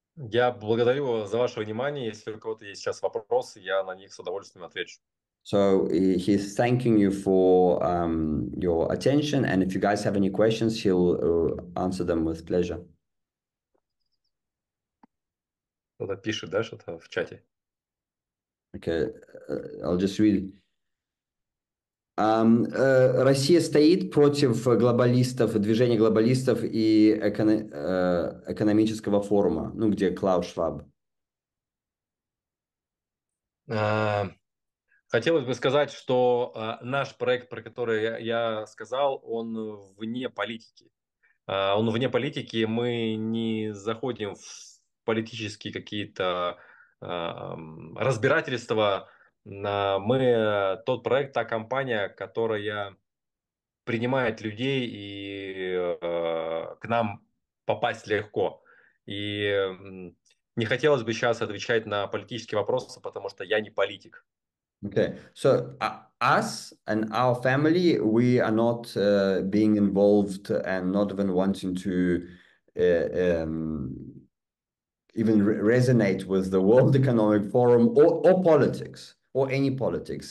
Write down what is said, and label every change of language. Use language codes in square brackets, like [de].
[ru] Я благодарю за ваше внимание. Если у кого-то есть сейчас вопросы, я на них с удовольствием отвечу. [en] So he's thanking you for your attention, and if you guys have any questions, he'll answer them with pleasure. [ru] Кто-то пишет, да, что-то в чате. [en] Okay, I'll just read. [ru] Россия стоит против глобалистов, движения глобалистов и экономического форума, ну, где Клаус Шваб. Хотелось бы сказать, что наш проект, про который я сказал, он вне политики. Он вне политики, мы не заходим в политические какие-то разбирательства. Мы тот проект, та компания, которая принимает людей, и к нам попасть легко. И не хотелось бы сейчас отвечать на политические вопросы, потому что я не политик. [en] Okay, so us and our family, we are not being involved and not even wanting to even resonate with the World Economic Forum or politics or any politics.